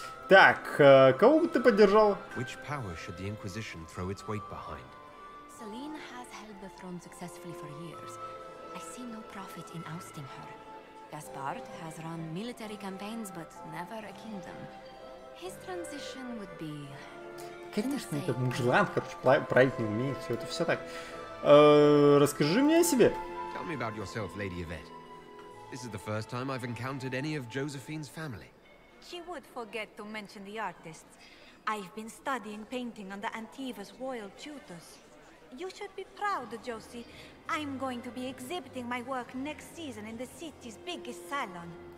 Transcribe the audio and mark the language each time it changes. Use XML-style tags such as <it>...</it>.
<ru>Так, кого бы ты поддержал?</ru> <en>Which power should the Inquisition throw its weight behind? Selene has held the throne successfully for years. I see no profit in ousting her. Gaspard has run military campaigns, but never a kingdom. His transition would be...</en> <ru>Конечно, это мужлан, короче, править не умеет, все это все так. Расскажи мне о себе.</ru> <en>Tell me about yourself, Lady Yvette. This is the first time I've encountered any of Josephine's family. She would forget to mention the artists. I've been studying painting under Antiva's royal tutors. You should be proud, Josie. I'm going to be exhibiting my work next season in the city's biggest salon.</en>